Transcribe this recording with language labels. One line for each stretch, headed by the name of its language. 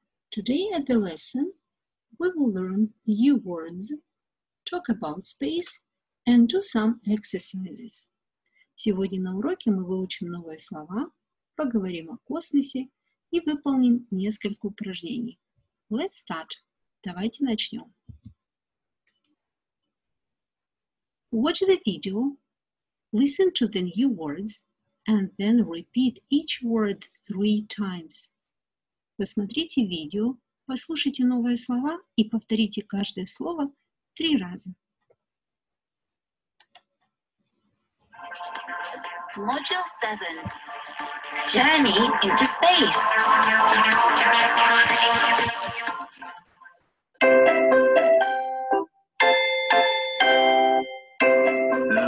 English: Today at the lesson, we will learn new words, talk about space, and do some exercises.
Russian: Сегодня на уроке мы выучим новые слова, поговорим о космосе и выполним несколько упражнений.
English: Let's start.
Russian: Давайте начнем.
English: Watch the video, listen to the new words, and then repeat each word three times.
Russian: Посмотрите видео, послушайте новые слова и повторите каждое слово три раза.
English: Module 7. Journey into space.